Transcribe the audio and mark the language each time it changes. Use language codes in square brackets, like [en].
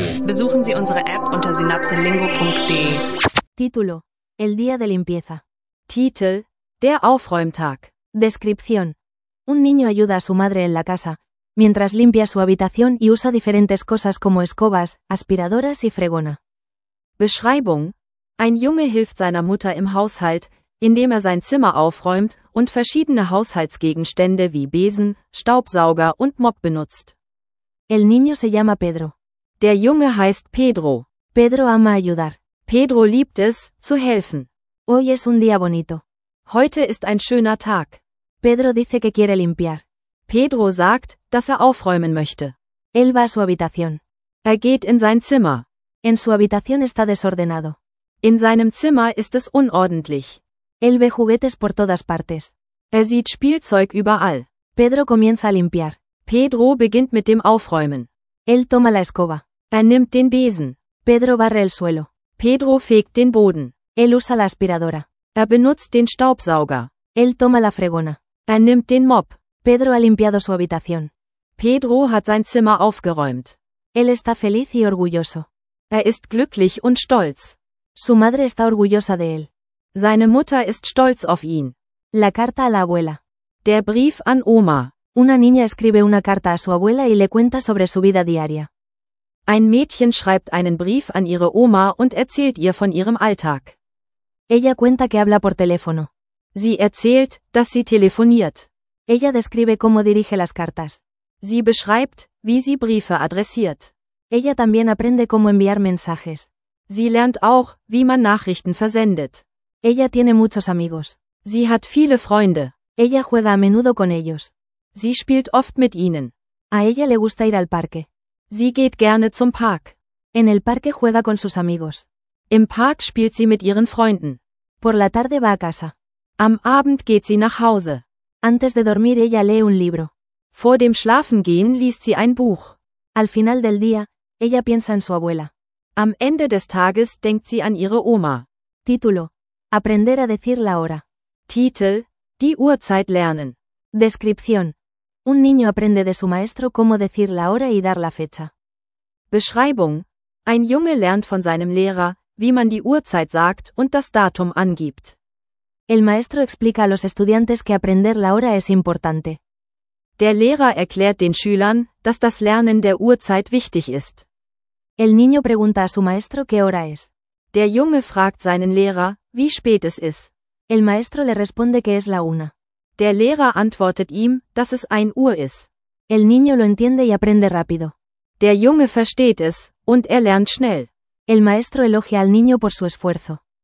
[de] Besuchen Sie unsere App unter synapselingo.de. [es] Título: El día de limpieza. [de] Titel: Der Aufräumtag. [es] Descripción: Un niño ayuda a su madre en la casa, mientras limpia su habitación y usa diferentes cosas como escobas, aspiradoras y fregona. [de] Beschreibung: Ein Junge hilft seiner Mutter im Haushalt, indem er sein Zimmer aufräumt und verschiedene Haushaltsgegenstände wie Besen, Staubsauger und Mop benutzt. [es] El niño se llama Pedro. [de] Der Junge heißt Pedro. [es] Pedro ama ayudar. [de] Pedro liebt es, zu helfen. [es] Hoy es un día bonito. [de] Heute ist ein schöner Tag. [es] Pedro dice que quiere limpiar. [de] Pedro sagt, dass er aufräumen möchte. [es] Él va a su habitación. [de] Er geht in sein Zimmer. [es] En su habitación está desordenado. [de] In seinem Zimmer ist es unordentlich. [es] Él ve juguetes por todas partes. [de] Er sieht Spielzeug überall. [es] Pedro comienza a limpiar. [de] Pedro beginnt mit dem Aufräumen. [es] Él toma la escoba. [de] Er nimmt den Besen. [es] Pedro barre el suelo. [de] Pedro fegt den Boden. [es] Él usa la aspiradora. [de] Er benutzt den Staubsauger. [es] Él toma la fregona. [de] Er nimmt den Mop. [es] Pedro ha limpiado su habitación. [de] Pedro hat sein Zimmer aufgeräumt. [es] Él está feliz y orgulloso. [de] Er ist glücklich und stolz. [es] Su madre está orgullosa de él. [de] Seine Mutter ist stolz auf ihn. [es] La carta a la abuela. [de] Der Brief an Oma. [es] Una niña escribe una carta a su abuela y le cuenta sobre su vida diaria. [de] Ein Mädchen schreibt einen Brief an ihre Oma und erzählt ihr von ihrem Alltag. [es] Ella cuenta que habla por teléfono. [de] Sie erzählt, dass sie telefoniert. [es] Ella describe cómo dirige las cartas. [de] Sie beschreibt, wie sie Briefe adressiert. [es] Ella también aprende cómo enviar mensajes. [de] Sie lernt auch, wie man Nachrichten versendet. [es] Ella tiene muchos amigos. [de] Sie hat viele Freunde. [es] Ella juega a menudo con ellos. [de] Sie spielt oft mit ihnen. [es] A ella le gusta ir al parque. [de] Sie geht gerne zum Park. [es] En el parque juega con sus amigos. [de] Im Park spielt sie mit ihren Freunden. [es] Por la tarde va a casa. [de] Am Abend geht sie nach Hause. [es] Antes de dormir ella lee un libro. [de] Vor dem Schlafengehen liest sie ein Buch. [es] Al final del día, ella piensa en su abuela. [de] Am Ende des Tages denkt sie an ihre Oma. [es] Título: Aprender a decir la hora. [de] Titel: Die Uhrzeit lernen. [es] Descripción: Un niño aprende de su maestro cómo decir la hora y dar la fecha. [de] Beschreibung: Ein Junge lernt von seinem Lehrer, wie man die Uhrzeit sagt und das Datum angibt. [es] El maestro explica a los estudiantes que aprender la hora es importante. [de] Der Lehrer erklärt den Schülern, dass das Lernen der Uhrzeit wichtig ist. [es] El niño pregunta a su maestro qué hora es. [de] Der Junge fragt seinen Lehrer, wie spät es ist. [es] El maestro le responde que es la una. [de] Der Lehrer antwortet ihm, dass es 1 Uhr ist. [es] El niño lo entiende y aprende rápido. [de] Der Junge versteht es, und er lernt schnell. [es] El maestro elogia al niño por su esfuerzo.